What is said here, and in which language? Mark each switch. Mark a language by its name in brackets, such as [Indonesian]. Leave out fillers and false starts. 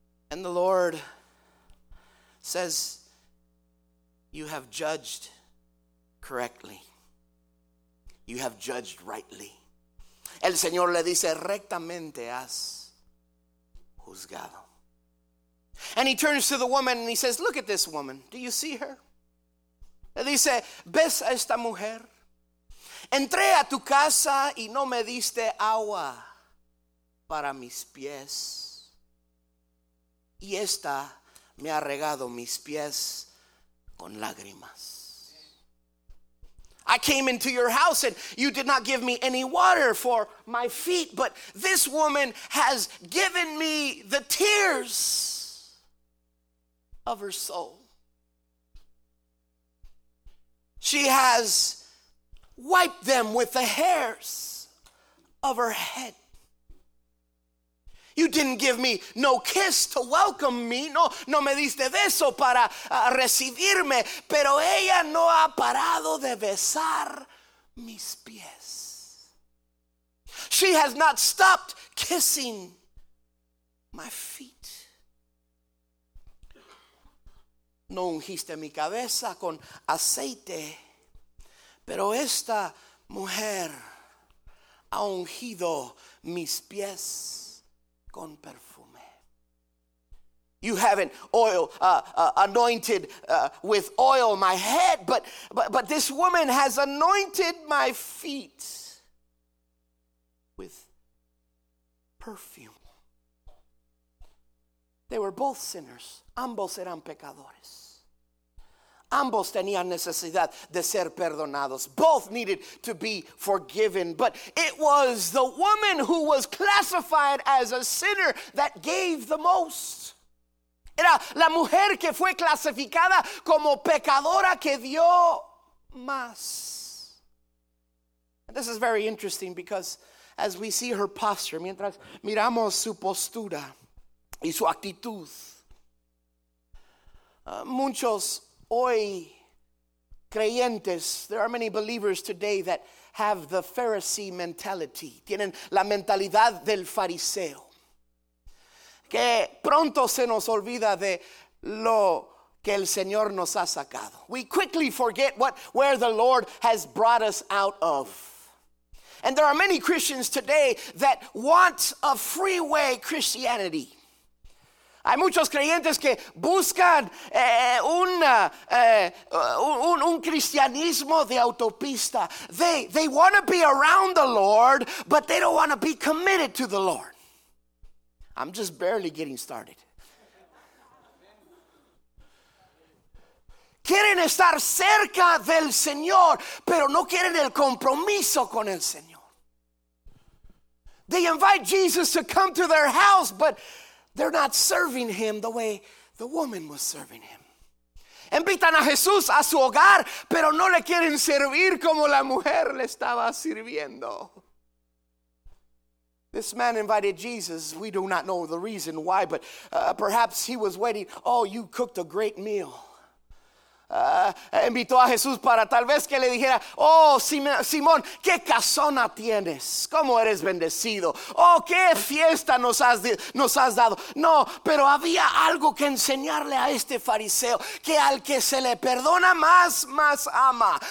[English] And the Lord says, you have judged correctly. You have judged rightly. [Spanish] El Señor le dice, rectamente has juzgado. [English] And he turns to the woman and he says, look at this woman. Do you see her? [Spanish] Le dice, ¿ves a esta mujer? Entré a tu casa y no me diste agua para mis pies. Y esta me ha regado mis pies con lágrimas. [English] I came into your house and you did not give me any water for my feet, but this woman has given me the tears of her soul. She has wiped them with the hairs of her head. You didn't give me no kiss to welcome me. [Spanish] No me diste beso para recibirme. Pero ella no ha parado de besar mis pies. [English] She has not stopped kissing my feet. [Spanish] No ungiste mi cabeza con aceite. Pero esta mujer ha ungido mis pies con perfume. [English] You haven't anointed with oil my head, but this woman has anointed my feet with perfume. They were both sinners. [Spanish] Ambos eran pecadores. Ambos tenían necesidad de ser perdonados. [English] Both needed to be forgiven. But it was the woman who was classified as a sinner that gave the most. [Spanish] Era la mujer que fue clasificada como pecadora que dio más. [English] And this is very interesting because as we see her posture, [Spanish] mientras miramos su postura y su actitud, muchos hoy creyentes, [English] there are many believers today that have the Pharisee mentality. [Spanish] Tienen la mentalidad del fariseo. Que pronto se nos olvida de lo que el Señor nos ha sacado. [English] We quickly forget where the Lord has brought us out of. And there are many Christians today that want a freeway Christianity. [Spanish] Hay muchos creyentes que buscan un cristianismo de autopista. [English] They want to be around the Lord, but they don't want to be committed to the Lord. I'm just barely getting started. [Spanish] Quieren estar cerca del Señor, pero no quieren el compromiso con el Señor. [English] They invite Jesus to come to their house, but they're not serving him the way the woman was serving him. [Spanish] Invitan a Jesús a su hogar, pero no le quieren servir como la mujer le estaba sirviendo. [English] This man invited Jesus. We do not know the reason why, but perhaps he was waiting. Oh, you cooked a great meal. [Spanish] Invitó a Jesús para tal vez que le dijera, oh Simón, qué casona tienes, cómo eres bendecido, oh qué fiesta nos has dado. No, pero había algo que enseñarle a este fariseo, que al que se le perdona más ama.